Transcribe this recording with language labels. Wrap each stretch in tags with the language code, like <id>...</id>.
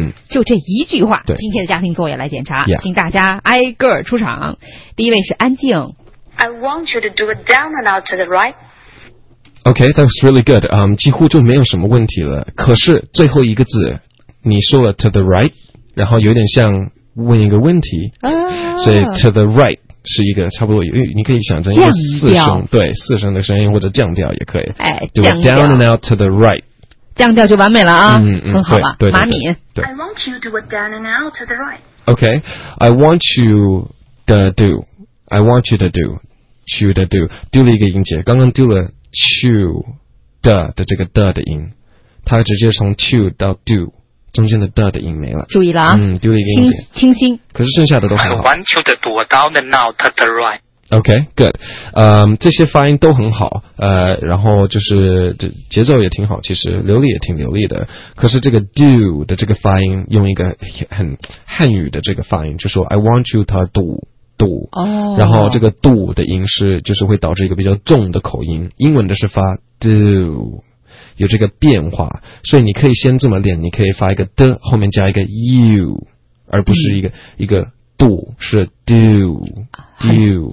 <zh>就这一句话，今天的家庭作业来检查、 yeah. 请大家挨个出场。第一位是安静。</zh> <en>I want you to do a down and out to the right. Okay, that was really good.</en> <zh>几乎就没有什么问题了。可是最后一个字，你说了</zh> <en>to the right,</en> <zh>然后有点像问一个问题。所以</zh> <en>to the right</en> <zh>是一个差不多，你可以想成一个四声，对，四声的声音，或者降调也可以。哎，降调。</zh> <en>Do a down and out to the right.</en> <zh>降调就完美了啊。嗯嗯，很好了。对对对。马敏。</zh> <en>I want you to do a down and out to the right. Okay, I want you to do. I want you to do. You to do.</en> <zh>丢了一个音节，刚刚丢了。 to 的这个 的音，它直接从 to 到 do 中间的 的音没了。注意了啊，丢了一个音节，清新。可是剩下的都还好。</zh> <en>I want you to do a down and out to the right. Okay, good.</en> <zh>这些发音都很好。然后就是节奏也挺好，其实流利也挺流利的。可是这个 do 的这个发音，用一个很汉语的这个发音，就说</zh> <en>I want you to do。</en> <zh>度、 oh. 然后这个度的音是就是会导致一个比较重的口音，英文的是发 do 有这个变化，所以你可以先这么练，你可以发一个的后面加一个 you 而不是一个、一个度是 do do</zh>